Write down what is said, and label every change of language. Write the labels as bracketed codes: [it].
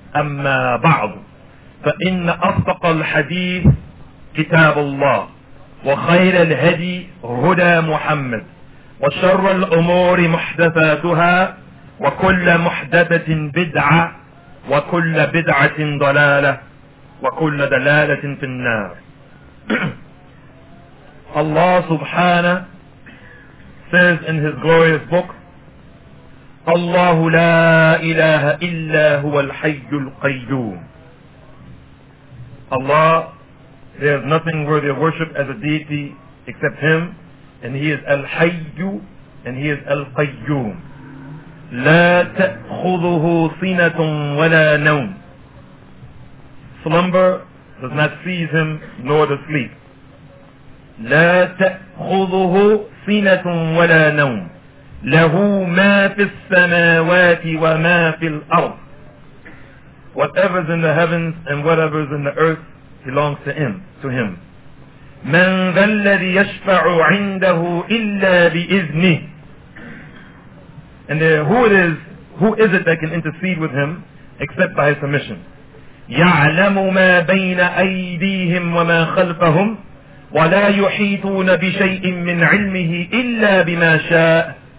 [ar] أما بعد، فإن أصدق الحديث كتاب الله، وخير الهدي هدى محمد، وشر الأمور محدثاتها، وكل محدثة بدعة، وكل بدعة ضلالة، وكل دلالة في النار. [en] Allah subhanahu says in his glorious book, [ar] Allahu la ilaha illa huwa al-hayyul qayyum. [en] Allah, there is nothing worthy of worship as a deity except Him, and He is al-hayyu, and He is al-qayyum. [ar] لا تأخذه سنة ولا نوم. [en] Slumber does not seize him, nor does sleep. [ar] لا تأخذه سنة ولا نوم. له ما في السماوات وما في الأرض. [en] Whatever is in the heavens and whatever is in the earth belongs to him. [ar] من ذا الذي يشفع عنده إلا بإذنه. [en] And who is it that can intercede with him except by his permission? [ar] يَعْلَمُ مَا بَيْنَ أَيْدِيهِمْ وَمَا خَلْفَهُمْ وَلَا يُحِيطُونَ بِشَيْءٍ مِّنْ عِلْمِهِ إِلَّا بِمَا شَاءَ.